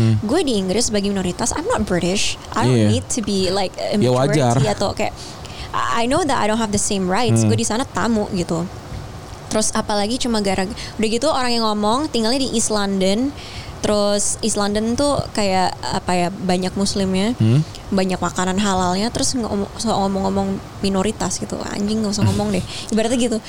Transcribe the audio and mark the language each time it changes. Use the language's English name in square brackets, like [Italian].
[Indonesian] Gue di Inggris sebagai minoritas, [English] I'm not British. I don't need to be like a majority [Indonesian] atau kayak [English] I know that I don't have the same rights. [Indonesian] Gue di sana tamu gitu. Terus apalagi cuma gara-gara udah gitu orang yang ngomong tinggalnya di East London. Terus East London tuh kayak apa ya, banyak muslimnya, banyak makanan halalnya. Terus ngomong-ngomong minoritas gitu, anjing gak usah ngomong deh. Ibaratnya gitu.